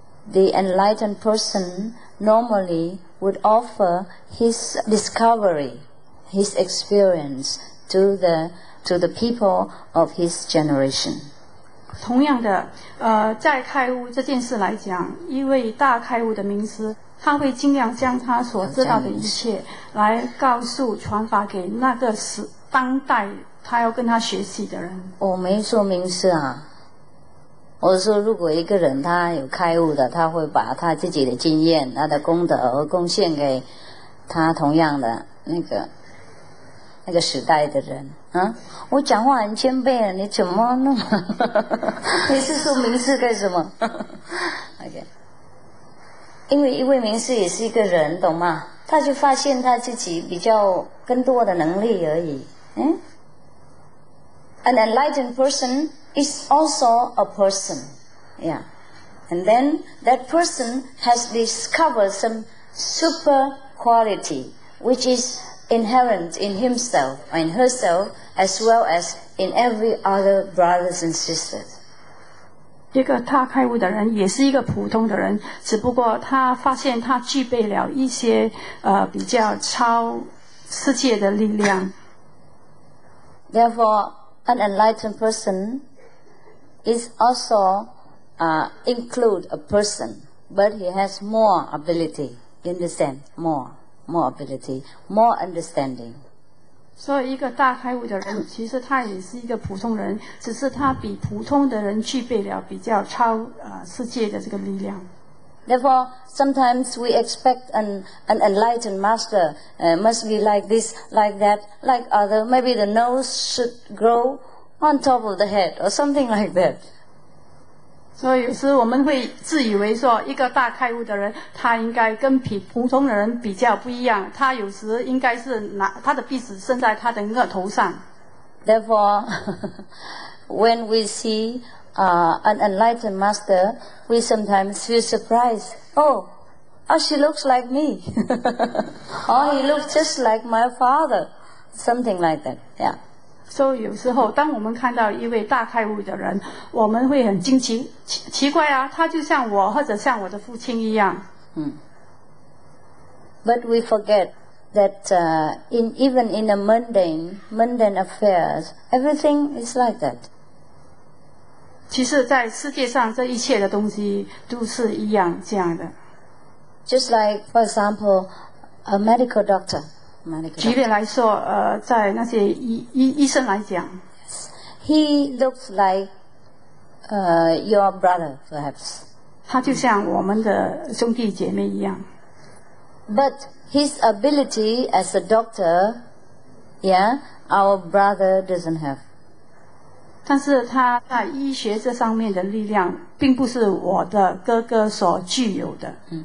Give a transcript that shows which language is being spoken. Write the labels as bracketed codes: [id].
[en] The enlightened person normally would offer his discovery, his experience to the people of his generation. [zh] 同样的，在开悟这件事来讲，一位大开悟的名师，他会尽量将他所知道的一切来告诉、传法给那个时当代他要跟他学习的人。我没说名师啊，我说如果一个人他有开悟的，他会把他自己的经验、他的功德而贡献给他同样的那个时代的人。嗯，我讲话很谦卑啊，你怎么弄？你是说名师干什么？OK， 因为一位名师也是一个人，懂吗？他就发现他自己比较更多的能力而已。 [en] 嗯 ，An enlightened person is also a person， yeah， and then that person has discovered some super quality which is inherent in himself and herself。 As well as in every other brothers and sisters. [zh] 一个他开悟的人也是一个普通的人，只不过他发现他具备了一些比较超世界的力量。 [en] Therefore, an enlightened person is also include a person, but he has more ability, understand, more ability, more understanding. [zh] 所以一个大开悟的人其实他也是一个普通人，只是他比普通的人具备了比较超世界的这个力量。 [en] Therefore, sometimes we expect an enlightened master must be like this, like that, like other. Maybe the nose should grow on top of the head or something like that. [zh] 所以有时我们会自以为说一个大开悟的人他应该跟普通的人比较不一样，他有时应该是拿他的鼻子伸在他的额头上。 [en] Therefore, when we see an enlightened master, we sometimes feel surprised. Oh, she looks like me. Oh, he looks just like my father. Something like that, yeah. [zh] So, 有时候当我们看到一位大开悟的人，我们会很惊奇，奇怪啊，他就像我或者像我的父亲一样。 [en] But we forget that even in the mundane affairs, everything is like that. [zh] 其实在世界上这一切的东西都是一样这样的。 [en] Just like, for example, a medical doctor. [zh] 举例来说，在那些医生来讲 [en] yes, he looks like your brother perhaps. [zh] 他就像我们的兄弟姐妹一样。 [en] But his ability as a doctor, yeah, our brother doesn't have. [zh] 但是他在医学这上面的力量并不是我的哥哥所具有的。